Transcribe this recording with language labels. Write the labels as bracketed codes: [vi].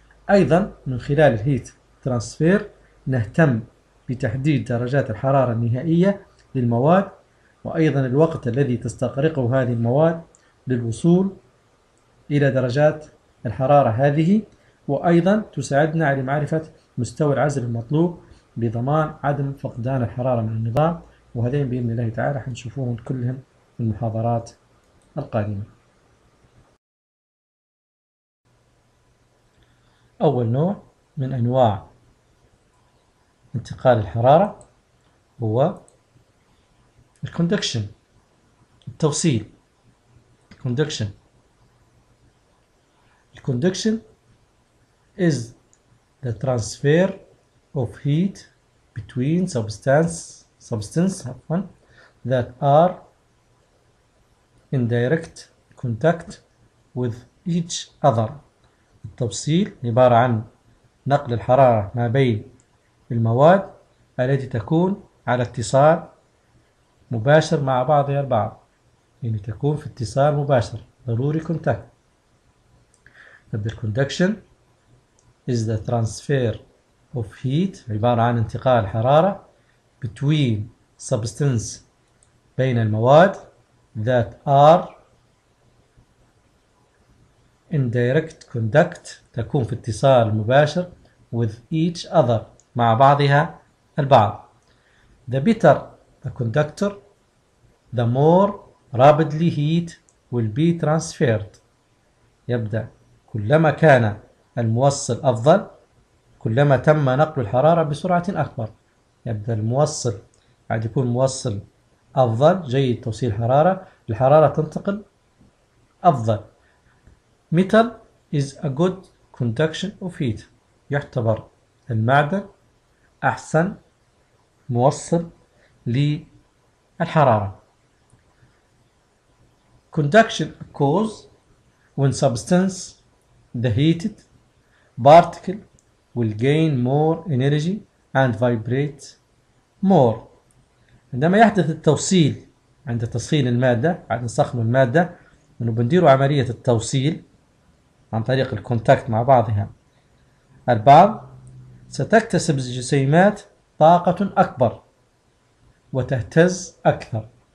[ar] أيضا من خلال الهيت ترانسفير نهتم بتحديد درجات الحرارة النهائية للمواد، وأيضا الوقت الذي تستغرقه هذه المواد للوصول إلى درجات الحرارة هذه، وأيضا تساعدنا على معرفة مستوى العزل المطلوب بضمان عدم فقدان الحرارة من النظام، وهذين بإذن الله تعالى حنشوفوهم كلهم في المحاضرات القادمة. أول نوع من أنواع انتقال الحرارة هو الكوندكشن، التوصيل. [en] Conduction, Conduction is the transfer of heat between substances that are in direct contact with each other. [ar] التوصيل عبارة عن نقل الحرارة ما بين المواد التي تكون على اتصال مباشر مع بعضها البعض، يعني تكون في اتصال مباشر، ضروري contact. [en] The conduction is the transfer of heat، [ar] عبارة عن انتقال حرارة، [en] between substance، [ar] بين المواد، [en] that are in direct contact، [ar] تكون في اتصال مباشر، [en] with each other، [ar] مع بعضها البعض. [en] The better the conductor, the more rapidly heat will be transferred. [ar] يبدأ كلما كان الموصل أفضل، كلما تم نقل الحرارة بسرعة أكبر. يبدأ الموصل عاد يكون موصل أفضل، جيد توصيل الحرارة، الحرارة تنتقل أفضل. [en] Metal is a good conduction of heat، [ar] يعتبر المعدن أحسن موصل للحرارة. [en] Conduction occurs when substance the heated particle will gain more energy and vibrate more. [ar] عندما يحدث التوصيل عند تصخين المادة، عند صخن المادة، انه بنديروا عملية التوصيل عن طريق الكونتاكت مع بعضها البعض، ستكتسب الجسيمات طاقة أكبر وتهتز أكثر.